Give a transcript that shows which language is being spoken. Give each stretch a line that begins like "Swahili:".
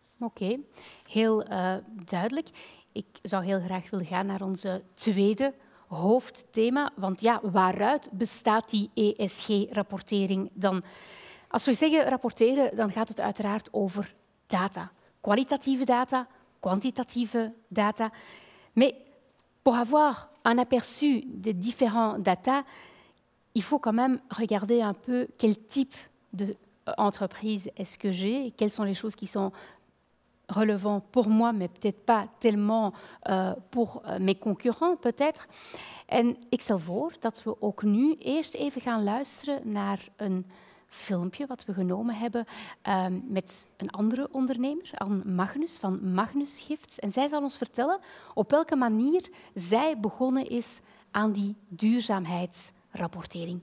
Dutch: Oké, heel duidelijk. Ik zou heel graag willen gaan naar onze tweede hoofdthema. Want ja, waaruit bestaat die ESG-rapportering dan? Als we zeggen rapporteren, dan gaat het uiteraard over data. Kwalitatieve data, kwantitatieve data.
French: Mais pour avoir un aperçu des différents data, il faut quand même regarder un peu quel type d'entreprise est-ce que j'ai, quelles sont les choses qui sont relevantes pour moi, mais peut-être pas tellement pour mes concurrents, peut-être.
Dutch: En ik stel voor dat we ook nu eerst even gaan luisteren naar een filmpje wat we genomen hebben met een andere ondernemer, Anne Magnus van Magnus Gifts. En zij zal ons vertellen op welke manier zij begonnen is aan die duurzaamheidsrapportering.